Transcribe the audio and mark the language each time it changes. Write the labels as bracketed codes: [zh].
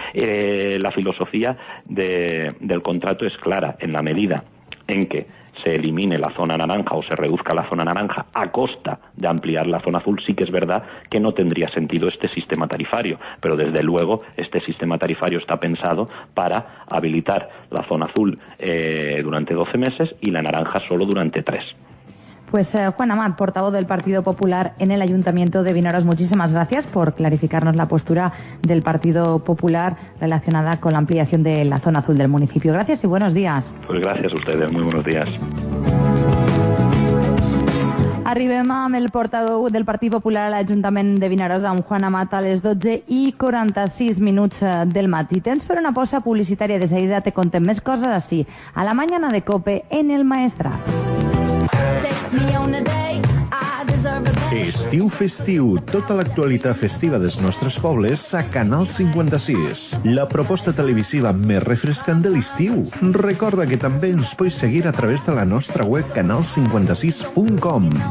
[es] La filosofía del contrato es clara: en la medida en que se elimine la zona naranja o se reduzca la zona naranja a costa de ampliar la zona azul, sí que es verdad que no tendría sentido este sistema tarifario, pero desde luego este sistema tarifario está pensado para habilitar la zona azul durante 12 meses y la naranja solo durante 3. Pues Juan Amat, portavoz del Partido Popular en el Ayuntamiento de Vinaros, muchísimas gracias por clarificarnos la postura del Partido Popular relacionada con la ampliación de la zona azul del municipio. Gracias y buenos días. Pues gracias a ustedes, muy buenos días. [ca] Arribem amb el portador del Partit Popular a l'Ajuntament de Vinaròs, amb Juan Amat, a les 12:46 minuts del matí. Tens per una pausa publicitària, de seguida te contem més coses així. [es] A la mañana de COPE, en el Maestrat. [ca] Estiu festiu, tota l'actualitat festiva dels nostres pobles a Canal 56. La proposta televisiva més refrescant de l'estiu. Recorda que també ens pots seguir a través de la nostra web canal56.com.